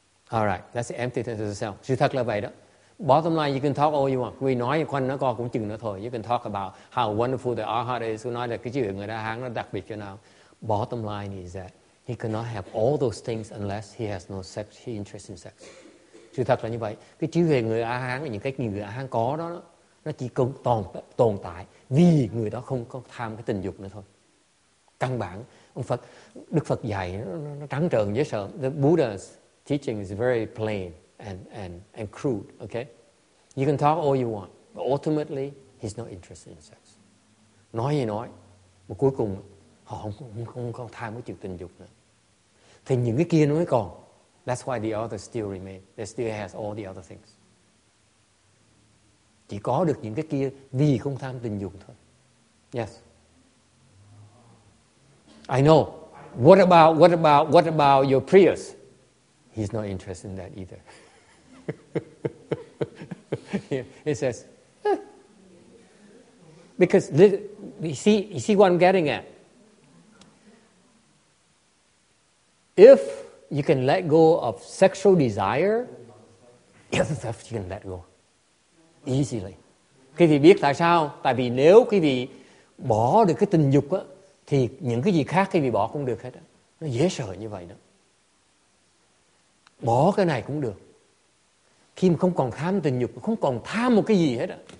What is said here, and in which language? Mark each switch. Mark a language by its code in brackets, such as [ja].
[en] All right, that's the emptiness of the self. [vi] Sự thật là vậy đó. [en] Bottom line, you can talk all you want. [vi] Quý vị nói quanh nó co cũng chừng nó thôi. [en] You can talk about how wonderful the arhat is. [vi] Quý vị nói là cái chuyện người đã hán nó đặc biệt cho nào. [en] Bottom line is that he cannot have all those things unless he has no sex, he interest in sex. [vi] Sự thật là như vậy. Cái trí huệ người A-Hán và những cách người A-Hán có đó, nó chỉ còn tồn tại vì người đó không có tham cái tình dục nữa thôi. Căn bản, ông Phật, Đức Phật dạy nó trắng trợn dễ sợ. [en] The Buddha's teaching is very plain and crude, okay? You can talk all you want, but ultimately, he's not interested in sex. [vi] Nói gì nói, mà cuối cùng, họ không có tham cái chuyện tình dục nữa. Thì những cái kia nó mới còn. [en] That's why the other still remain. They still has all the other things. [vi] Chỉ có được những cái kia vì không tham tình dục thôi. [en] Yes. I know. What about your prayers? He's not interested in that either. He says, because you see what I'm getting at. If you can let go of sexual desire, other stuff you can let go easily. [vi] Quý vị biết tại sao? Tại vì nếu quý vị bỏ được cái tình dục á, thì những cái gì khác quý vị bỏ cũng được hết á. Nó dễ sợ như vậy đó. Bỏ cái này cũng được. Khi mà không còn tham tình dục, không còn tham một cái gì hết á.